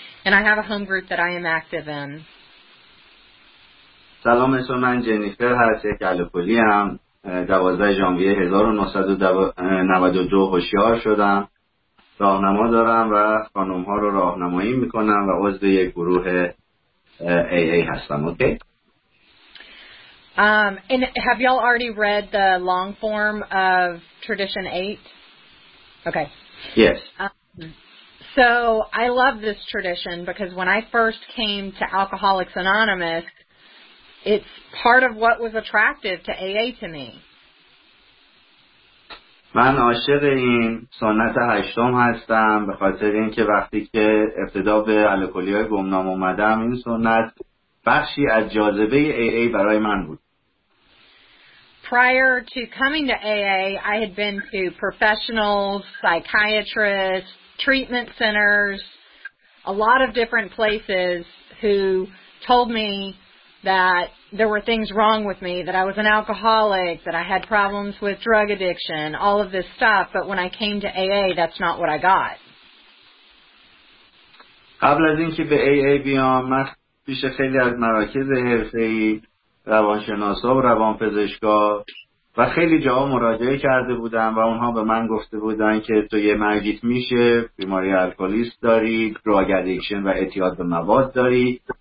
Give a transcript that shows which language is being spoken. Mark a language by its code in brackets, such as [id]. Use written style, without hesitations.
[en] And I have a home group that I am active in. [fa] سلام اسم من جنیفر هست یک الکلی هم 12 ژانویه 1992 هوشیار شدم راهنما دارم و خانم ها رو راهنمایی میکنم و عضو یک گروه AA هستم اوکی [en] And have y'all already read the long form of tradition 8 okay yes So I love this tradition because when I first came to Alcoholics Anonymous It's part of what was attractive to AA to me. [fa] من عاشق این سنت هشتم هستم به خاطر اینکه وقتی که ابتدا به الکلی‌های گمنام اومدم این سنت بخشی از جاذبه AA برای من بود. [en] Prior to coming to AA, I had been to professionals, psychiatrists, treatment centers, a lot of different places who told me that there were things wrong with me, that I was an alcoholic, that I had problems with drug addiction, all of this stuff, but when I came to AA, that's not what I got. [fa] قبل از اینکه به AA بیام، من پیش خیلی از مراکز حرفه‌ای، روانشناسا و روانپزشکا و خیلی جاها مراجعه کرده بودم و اونها به من گفته بودن که تو یه مریض میشه، بیماری الکلیست داری، [en] drug addiction [fa] و اعتیاد به مواد داری.